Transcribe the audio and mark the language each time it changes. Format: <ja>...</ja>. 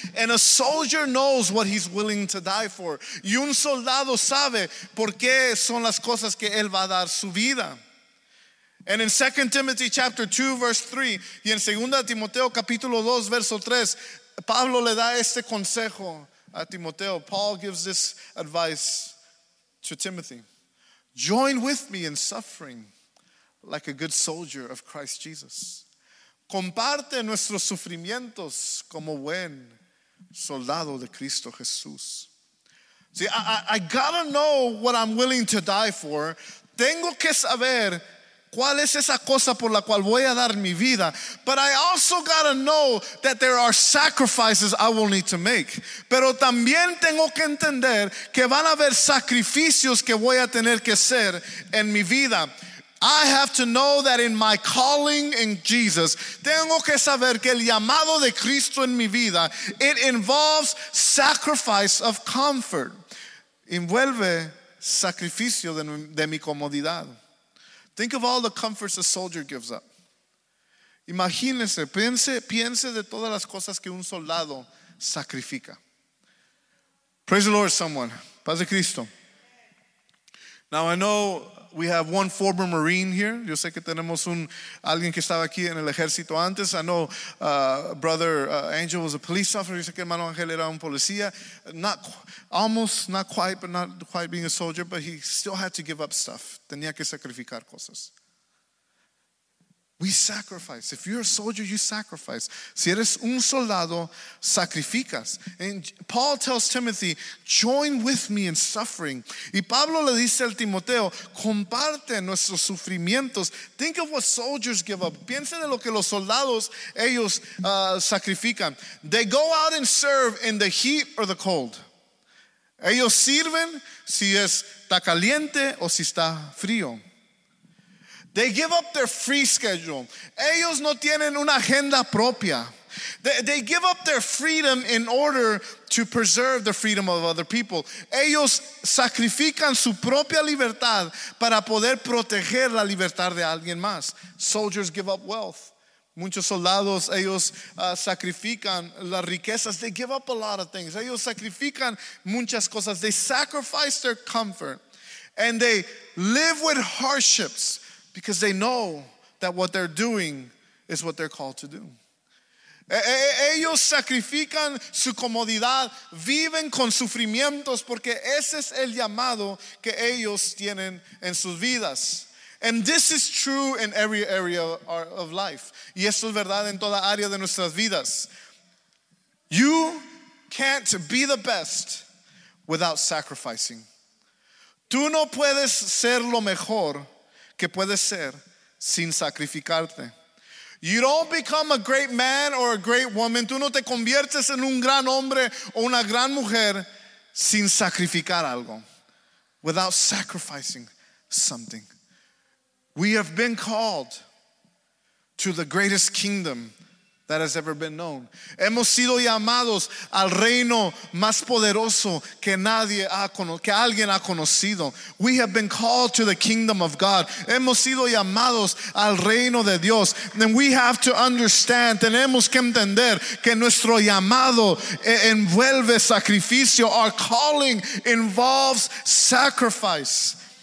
<en>And a soldier knows what he's willing to die for.</en> <es>Y un soldado sabe por qué son las cosas que él va a dar su vida.</es> <en>And in 2 Timothy chapter 2, verse 3,</en> <es>y en 2 Timoteo capítulo 2, verso 3, Pablo le da este consejo. A Timoteo,</es> <en>Paul gives this advice to Timothy. Join with me in suffering like a good soldier of Christ Jesus.</en> <es>Comparte nuestros sufrimientos como buen soldado de Cristo Jesús.</es> <en>See, I gotta know what I'm willing to die for.</en> <es>Tengo que saber cuál es esa cosa por la cual voy a dar mi vida.</es> <en>But I also gotta know that there are sacrifices I will need to make.</en> <es>Pero también tengo que entender que van a haber sacrificios que voy a tener que hacer en mi vida.</es> <en>I have to know that in my calling in Jesus,</en> <es>tengo que saber que el llamado de Cristo en mi vida,</es> <en>it involves sacrifice of comfort.</en> <es>Envuelve sacrificio de mi comodidad.</es> <en>Think of all the comforts a soldier gives up.</en> <es>Imagínese, piense de todas las cosas que un soldado sacrifica.</es> <en>Praise the Lord, someone.</en> <es>Paz de Cristo.</es> <en>Now I know we have one former Marine here.</en> <es>Yo sé que tenemos un alguien que estaba aquí en el ejército antes.</es> <en>I know Brother Angel was a police officer.</en> <es>Yo sé que hermano Angel era un policía.</es> <en>Not quite being a soldier, but he still had to give up stuff.</en> <es>Tenía que sacrificar cosas.</es> <en>We sacrifice. If you're a soldier, you sacrifice.</en> <es>Si eres un soldado, sacrificas.</es> <en>And Paul tells Timothy, join with me in suffering.</en> <es>Y Pablo le dice al Timoteo, comparte nuestros sufrimientos.</es> <en>Think of what soldiers give up.</en> <es>Piensa de lo que los soldados, ellos sacrifican.</es> <en>They go out and serve in the heat or the cold.</en> <es>Ellos sirven si está caliente o si está frío.</es> <en>They give up their free schedule.</en> <es>Ellos no tienen una agenda propia.</es> <en>They give up their freedom in order to preserve the freedom of other people.</en> <es>Ellos sacrifican su propia libertad para poder proteger la libertad de alguien más.</es> <en>Soldiers give up wealth.</en> <es>Muchos soldados, ellos sacrifican las riquezas.</es> <en>They give up a lot of things.</en> <es>Ellos sacrifican muchas cosas.</es> <en>They sacrifice their comfort. And they live with hardships. Because they know that what they're doing is what they're called to do.</en> <es>Ellos sacrifican su comodidad, viven con sufrimientos, porque ese es el llamado que ellos tienen en sus vidas.</es> <en>And this is true in every area of life.</en> <es>Y eso es verdad en toda área de nuestras vidas.</es> <en>You can't be the best without sacrificing.</en> <es>Tú no puedes ser lo mejor que puede ser sin sacrificarte.</es> <en>You don't become a great man or a great woman.</en> <es>Tú no te conviertes en un gran hombre o una gran mujer sin sacrificar algo.</es> <en>Without sacrificing something. We have been called to the greatest kingdom that has ever been known.</en> <es>Hemos sido llamados al reino más poderoso que alguien ha conocido.</es> <en>We have been called to the kingdom of God.</en> <es>Hemos sido llamados al reino de Dios.</es> <en>And we have to understand,</en> <es>tenemos que entender que nuestro llamado envuelve sacrificio.</es> <en>Our calling involves sacrifice.</en>